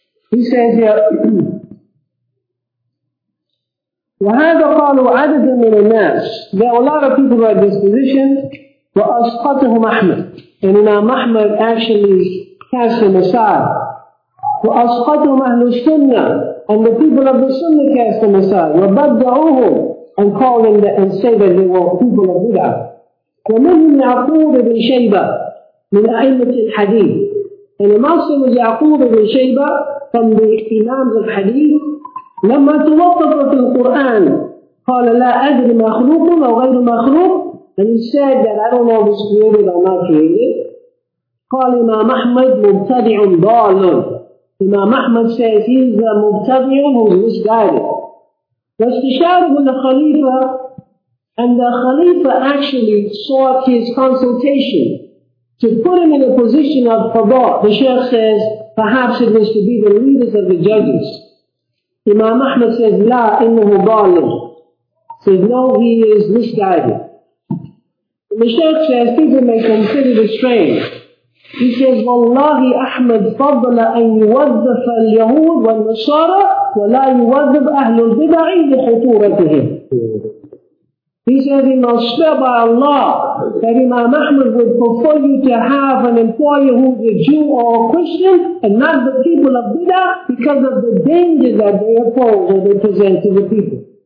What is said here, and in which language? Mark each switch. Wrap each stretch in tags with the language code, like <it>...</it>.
<en>He says here,</en> <ar>وَهَذَا قَالُوا عَدَدٌ مِنَ النَّاسِ,</ar> <en>there are a lot of people who are at this position,</en> <ar>وَأَسْقَطَهُمْ أَحْمَدْ,</ar> <en>and Imam Ahmad actually cast them aside.</en> <ar>وَأَسْقَطَهُمْ أَهْلُ السُّنَّةِ,</ar> <en>and the people of the Sunnah cast them aside.</en> <ar>وَبَدَّعُوهُمْ,</ar> <en>and call them the, and say that they were people of bid'ah.</en> <ar>وَمِنْهُمْ يَعْقُوبُ بْنُ شَيْبَةَ مِنْ أَئِمَّةِ الْحَدِيثِ,</ar> <en>and also was يَعْقُوبُ بْنُ شَيْبَةَ from the Imams of Hadith.</en> <ar>لما توقف في القرآن قال لا أدري مخلوق أو غير مخلوق,</ar> <en>and he said that I don't know if it's created or not created.</en> <ar>قال إمام أحمد مبتدع ضال, إمام أحمد</ar> <en>says he's a</en> <ar>مبتدع</ar> <en>who's misguided.</en> <ar>واستشاره للخليفة.</ar> <en>And the Khalifa actually sought his consultation to put him in a position of qada. The Sheikh says, perhaps it was to be the leaders of the judges. Imam Ahmad says,</en> <ar>لا إنه ضالٍ.</ar> <en>Says, no, he is misguided. The Sheikh says, people may consider this strange. He says,</en> <ar>والله أحمد فضل أن يوظف اليهود والنصارى ولا يوظف أهل البدع لخطورتهم.</ar> <en>He says, he must swear by Allah that Imam Ahmad would prefer you to have an employer who is a Jew or a Christian and not the people of Bidah because of the danger that they oppose or they present to the people.</en>